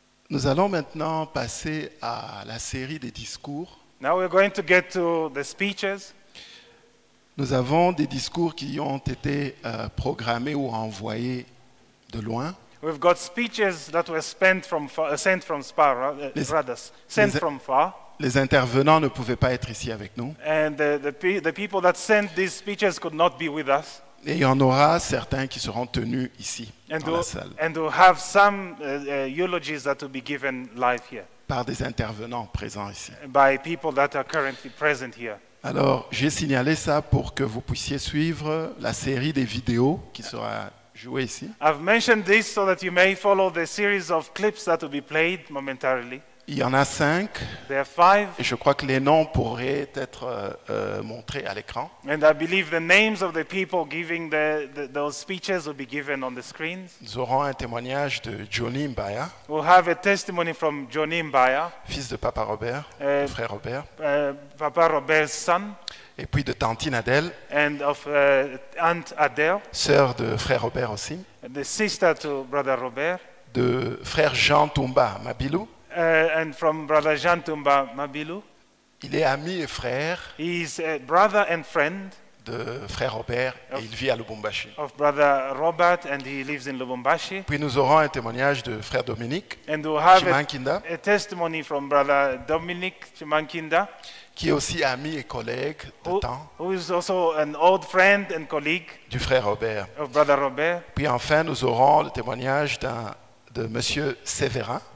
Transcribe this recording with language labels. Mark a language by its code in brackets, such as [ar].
[fr] Nous allons maintenant passer à la série des discours. [en] Now we're going to get to the speeches. [fr] Nous avons des discours qui ont été programmés ou envoyés de loin. [en] We've got speeches that were sent from far. [fr] Les intervenants ne pouvaient pas être ici avec nous. [en] And the people that sent these speeches could not be with us. [fr] Et il y en aura certains qui seront tenus ici, dans la salle. [en] And we'll have some eulogies that will be given live here. [fr] Par des intervenants présents ici. [en] By people that are currently present here. [fr] Alors, j'ai signalé ça pour que vous puissiez suivre la série des vidéos qui sera jouée ici. [en] I've mentioned this so that you may follow the series of clips that will be played momentarily. [fr] Il y en a 5. [en] There are 5. [fr] Et je crois que les noms pourraient être montrés à l'écran. [en] And I believe the names of the people giving those speeches will be given on the screens. [fr] Nous aurons un témoignage de Johnny Mbaya. [en] We'll have a testimony from Johnny Mbaya. [fr] Fils de Papa Robert, frère Robert. [en] Papa Robert's son. [fr] Et puis de Tantine Adèle. [en] And of Aunt Adele. [fr] Sœur de frère Robert aussi. [en] The sister to brother Robert. [fr] De frère Jean Tumba Mabilou. [en] And from brother Jean Tumba Mabilou. [fr] Il est ami et frère. [en] He is a brother and friend. [fr] De frère Robert et il vit à Lubumbashi. [en] Of brother Robert and he lives in Lubumbashi. [fr] Puis nous aurons un témoignage de frère Dominique. [en] And we'll have a testimony from brother Dominique Chimankinda. [fr] Qui est aussi ami et collègue de temps. [en] Who is also an old friend and colleague. [fr] Du frère Robert. [en] Of brother Robert. [fr] Puis enfin nous aurons le témoignage de Monsieur Severin.